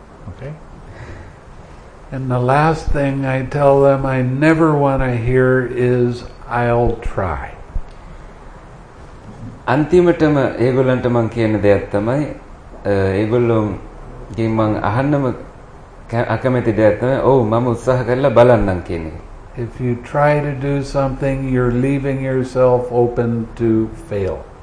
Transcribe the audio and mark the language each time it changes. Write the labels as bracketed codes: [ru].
[en] okay and the last thing I tell them I never want to hear is I'll try [si] අන්තිමටම ඒගොල්ලන්ට මම කියන දෙයක් තමයි ඒගොල්ලෝගෙන් මම අහන්නම අකමැති දෙයක් තමයි ඔව් මම උත්සාහ කරලා බලන්නම් කියන එක. [en] If you try to do something you're leaving yourself open to fail.